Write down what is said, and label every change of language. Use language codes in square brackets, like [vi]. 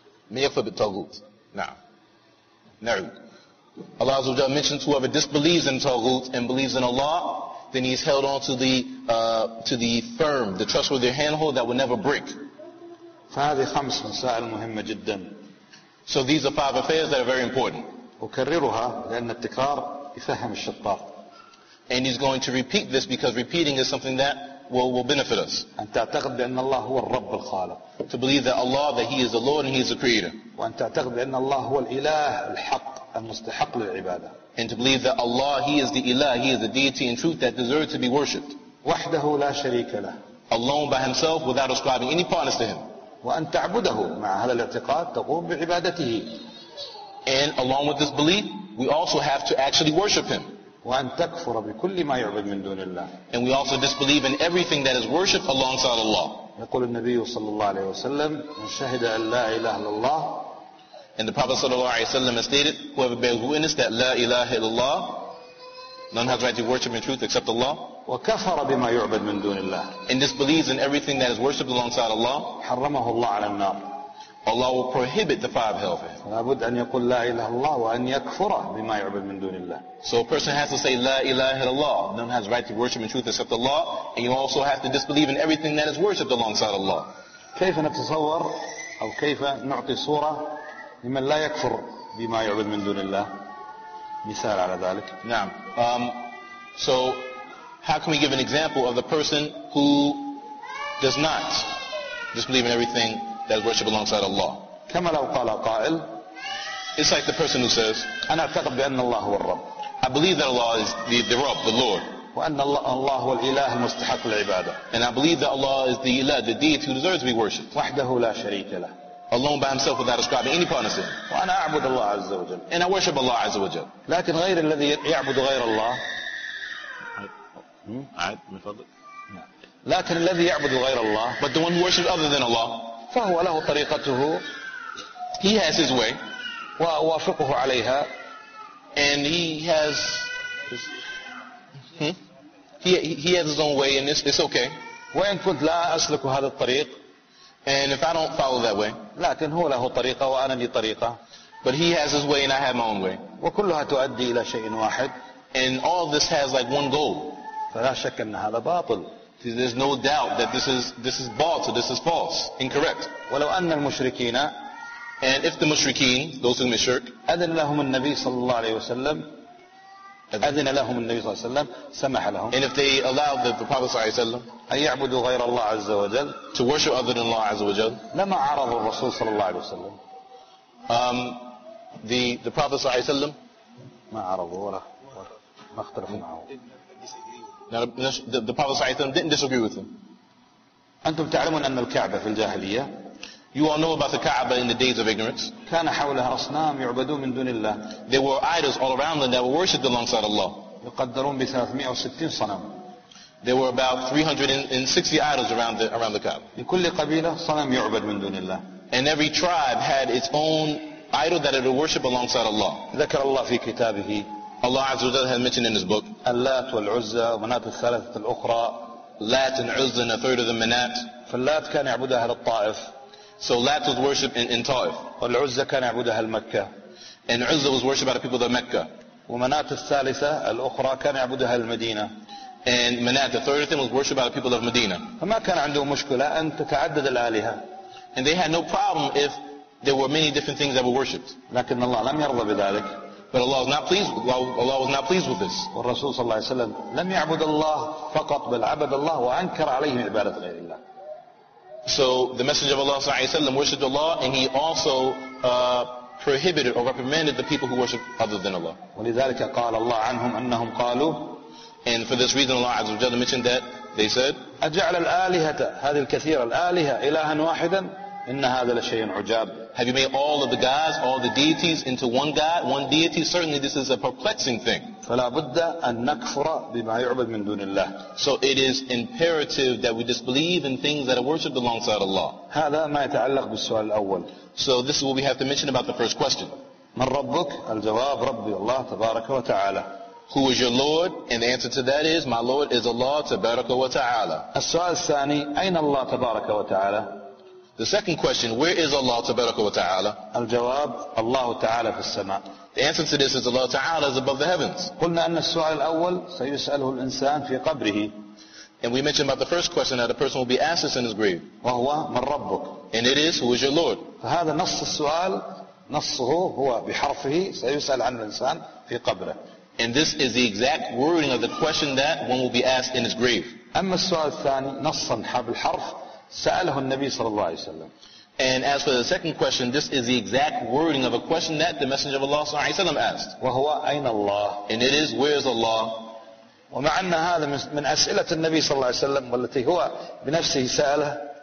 [ar] May yakfur bit taghut. [en] Now. Na'u. Allah Azza wa Jalla mentions whoever disbelieves in taghut and believes in Allah, then he's held on to the firm, the trustworthy handhold that will never break. [ar] فهذه خمس مسائل مهمة جدا. [en] So these are five affairs that are very important. [ar] أكررها لأن التكرار يفهم الشطار. [en] And he's going to repeat this because repeating is something that will benefit us. [ar] أن تعتقد بأن الله هو الرب الخالق. [en] To believe that Allah, that He is the Lord and He is the Creator. [ar] وأن تعتقد بأن الله هو الإله الحق المستحق للعبادة. [en] And to believe that Allah, He is the Ilah, He is the deity in truth that deserves to be worshipped. [ar] وحده لا شريك له. [en] Alone by Himself without ascribing any partners to Him. [ar] وأن تعبده مع هذا الاعتقاد تقوم بعبادته. [en] And along with this belief, we also have to actually worship him. [ar] وأن تكفر بكل ما يعبد من دون الله. [en] And we also disbelieve in everything that is worship alongside Allah. [ar] يقول النبي صلى الله عليه وسلم من شهد أن لا إله إلا الله. [en] And the Prophet صلى الله عليه وسلم has stated, whoever bears witness that [ar] لا إله إلا الله, [en] none has right to worship in truth except Allah. [ar] وكفر بما يعبد من دون الله. [en] And disbelieves in everything that is worshipped alongside Allah. [ar] حرمه الله على النار. [en] Allah will prohibit the five hell for him. [ar] لابد أن يقول لا إله الله وأن يكفر بما يعبد من دون الله. [en] So a person has to say [ar] لا إله إلا الله. [en] None has right to worship in truth except Allah. And you also have to disbelieve in everything that is worshipped alongside Allah. [ar] كيف نتصور أو كيف نعطي صورة لمن لا يكفر بما يعبد من دون الله؟ مثال على ذلك. نعم. [en] So how can we give an example of the person who does not disbelieve in everything that is worship alongside Allah? [ar] كما لو قال قائل, [en] it's like the person who says, [ar] أنا أعتقد بأن الله هو الرب. [en] I believe that Allah is the Rabb, the Lord. [ar] وأن الله هو الإله المستحق للعبادة. [en] And I believe that Allah is the Ilah, the deity who deserves to be worshipped. [ar] وحده لا شريك له. [en] Alone by himself without ascribing any partners to him. [ar] وأنا أعبد الله عز وجل. [en] And I worship Allah عز وجل. [ar] لكن غير الذي يعبد غير الله. عاد من فضلك. لكن الذي يعبد غير الله. [en] But the one who worships other than Allah. [ar] فهو له طريقته. [en] He has his way. [ar] وأوافقه عليها. [en] And he has. He has his own way, and it's okay. [ar] وإن كنت لا أسلك هذا الطريق. [en] And if I don't follow that way, [ar] لكن هو له طريقة وأنا لي طريقة. [en] But he has his way and I have my own way. [ar] وكلها تؤدي إلى شيء واحد. [en] And all this has like one goal. [ar] فلا شك أن هذا باطل. [en] There's no doubt that this is false. This is false, incorrect. [ar] ولو أن المشركين, [en] and if the mushrikeen, those who mishrik, [ar] أذن لهم النبي صلى الله عليه وسلم, أذن لهم النبي صلى الله عليه وسلم سمح لهم. [en] And if they allowed the Prophet صلى الله عليه وسلم [ar] أن يعبدوا غير الله عز وجل, [en] to worship other than Allah عز وجل, [ar] لما عرض الرسول صلى الله عليه وسلم, [en] the Prophet صلى الله عليه وسلم, [ar] ما عرضه ولا ما اختلف معه. [en] The Prophet صلى الله عليه وسلم didn't disagree with him. [ar] أنتم تعلمون أن الكعبة في الجاهلية, [en] you all know about the Kaaba in the days of ignorance. [ar] كان حولها أصنام يعبدون من دون الله. [en] There were idols all around them that were worshipped alongside Allah. [ar] يقدرون ب 360 صنم. [en] There were about 360 idols around the Kaaba. [ar] لكل قبيلة صنم يعبد من دون الله. [en] And every tribe had its own idol that it would worship alongside Allah. [ar] ذكر الله في كتابه. [en] Allah عز وجل had mentioned in His book. [ar] اللات والعزة ومنات الثلاثة الأخرى. [en] Lat and Uzza and a third of the Manat. [ar] فاللات كان يعبد أهل الطائف. [en] So Lat was worshipped in Taif. [ar] والعزة كان يعبد أهل مكة. [en] And Uzza was worshipped by the people of Mecca. [ar] ومنات الثالثة الأخرى كان يعبد أهل المدينة. [en] And Manat, the third thing, was worshipped by the people of Medina. [ar] فما كان عندهم مشكلة أن تتعدد الآلهة. [en] And they had no problem if there were many different things that were worshipped. [ar] لكن الله لم يرضى بذلك. [en] But Allah was not pleased with this. [ar] والرسول صلى الله عليه وسلم لم يعبد الله فقط بل عبد الله وأنكر عليه عبادة غير الله. [en] So the Messenger of Allah صلى الله عليه وسلم worshipped Allah, and he also prohibited or reprimanded the people who worship other than Allah. [ar] ولذلك قال الله عنهم أنهم قالوا. [en] And for this reason, Allah عز وجل mentioned that they said. [ar] أجعل الآلهة هذه الكثيرة الآلهة إلها واحدا. إن هذا لشيء عجاب. [en] Have you made all of the gods, all the deities, into one god, one deity? Certainly, this is a perplexing thing. [ar] فلا بد أن نكفر بما يعبد من دون الله. [en] So it is imperative that we disbelieve in things that are worshipped alongside Allah. [ar] هذا ما يتعلق بالسؤال الأول. [en] So this is what we have to mention about the first question. [ar] من ربك؟ الجواب ربي الله تبارك وتعالى. [en] Who is your Lord? And the answer to that is, my Lord is Allah تبارك وتعالى. [ar] السؤال الثاني أين الله تبارك وتعالى؟ [en] The second question, where is Allah تبارك وتعالى? [ar] الجواب الله تعالى في السماء. [en] The answer to this is Allah تعالى is above the heavens. [ar] قلنا أن السؤال الأول سيسأله الإنسان في قبره. [en] And we mentioned about the first question that a person will be asked this in his grave. [ar] وهو من ربك? [en] And it is, who is your Lord? [ar] فهذا نص السؤال نصه هو بحرفه سيسأل عن الإنسان في قبره. [en] And this is the exact wording of the question that one will be asked in his grave. [ar] أما السؤال الثاني نصا حبل حرف سأله النبي صلى الله عليه وسلم. [en] And as for the second question, this is the exact wording of a question that the Messenger of Allah صلى الله عليه وسلم asked. [ar] وهو أين الله? [en] And it is, where is Allah? [ar] ومع أن هذا من أسئلة النبي صلى الله عليه وسلم والتي هو بنفسه سأله.